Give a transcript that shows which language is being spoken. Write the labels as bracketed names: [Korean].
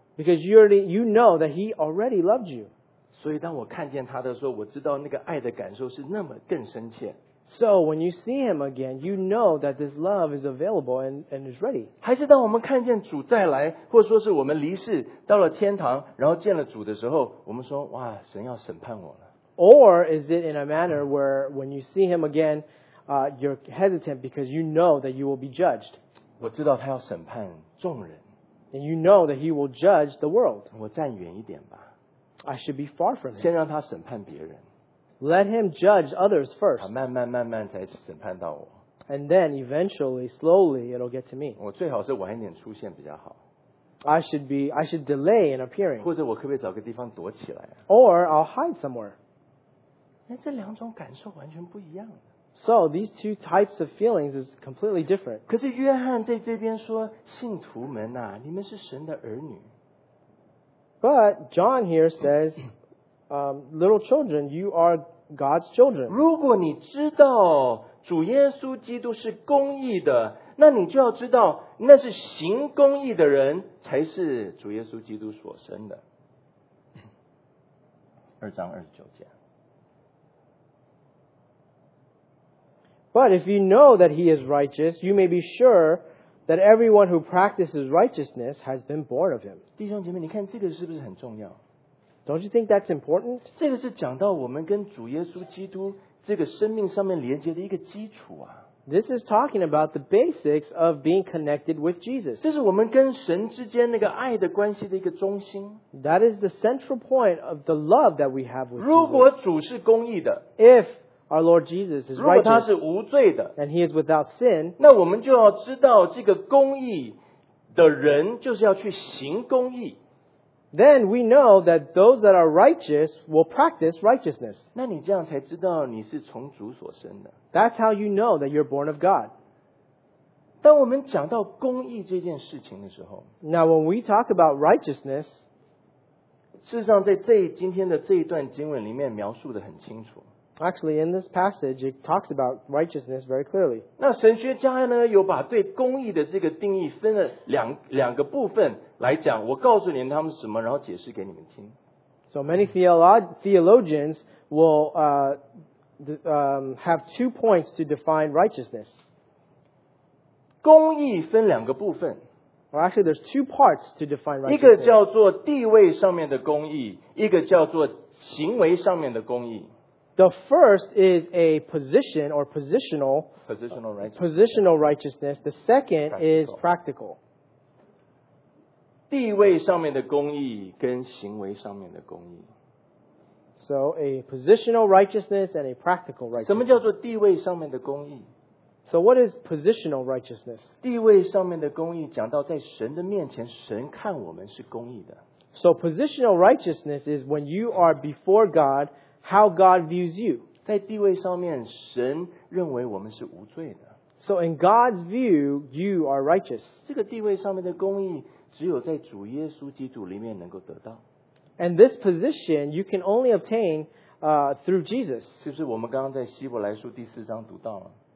[English] Because you know that he already loved you. [Chinese] 所以当我看见他的时候，我知道那个爱的感受是那么更深切。 [English] So when you see him again, you know that this love is available and is ready. [Chinese] 还是当我们看见主再来，或者说是我们离世到了天堂，然后见了主的时候，我们说哇，神要审判我了。 [English] Or is it in a manner where when you see him again, you're hesitant because you know that you will be judged? [Chinese] 我知道他要审判众人。 [English] And you know that he will judge the world. [Chinese] 我站远一点吧。 [English] I should be far from him. [Chinese] 先让他审判别人。 [English] Let him judge others first. [Chinese] 他慢慢慢慢才审判到我。 [English] And then eventually, slowly, it'll get to me. [Chinese] 我最好是晚一点出现比较好。 [English] I should delay in appearing. [Chinese] 或者我可不可以找个地方躲起来？ [English] Or I'll hide somewhere. [Chinese] 那这两种感受完全不一样。 [English] So these two types of feelings is completely different. [Chinese] 可是约翰在这边说，信徒们啊，你们是神的儿女。 [English] But John here says, little children, you are God's children. [Chinese] 如果你知道主耶稣基督是公义的，那你就要知道那是行公义的人才是主耶稣基督所生的。二章二十九节。 [English] But if you know that he is righteous, you may be sure... that everyone who practices righteousness has been born of him. [Chinese] 弟兄姐妹，你看这个是不是很重要？ [English] Don't you think that's important? [Chinese] 这个是讲到我们跟主耶稣基督这个生命上面连接的一个基础啊。 [English] This is talking about the basics of being connected with Jesus. [Chinese] 这是我们跟神之间那个爱的关系的一个中心。 [English] That is the central point of the love that we have with [Chinese] Jesus. 如果主是公义的， [English] ifOur Lord Jesus is righteous. [Chinese] 如果他是无罪的， [English] and he is without sin, [Chinese] 那我们就要知道这个公义的人就是要去行公义。 [English] Then we know that those that are righteous will practice righteousness. [Chinese] 那你这样才知道你是从主所生的。 [English] That's how you know that you're born of God. [Chinese] 当我们讲到公义这件事情的时候， [English] Now when we talk about righteousness, [Chinese] 事实上在这今天的这一段经文里面描述得很清楚。 [English] Actually, in this passage, it talks about righteousness very clearly. [Chinese] 那神学家呢，有把对公义的这个定义分了两个部分来讲。我告诉你他们什么，然后解释给你们听。 [English] So many theologians will have two points to define righteousness. [Chinese] 公义分两个部分。 [English] Well, actually, there's two parts to define righteousness. [Chinese] 一个叫做地位上面的公义，一个叫做行为上面的公义。 [English] The first is a position or positional righteousness. Positional righteousness. The second is practical. [Chinese] 地位上面的公义跟行为上面的公义。 [English] So a positional righteousness and a practical righteousness. [Chinese] 什么叫做地位上面的公义？ [English] So what is positional righteousness? [Chinese] 地位上面的公义讲到在神的面前神看我们是公义的。 [English] So positional righteousness is when you are before God, how God views you. [Chinese] 在地位上面神认为我们是无罪的。 [English] So in God's view, you are righteous. [Chinese] 这个地位上面的公义只有在主耶稣基督里面能够得到。 [English] And this position you can only obtain through Jesus. [Chinese] 是不是我们刚刚在希伯来书第四章读到了？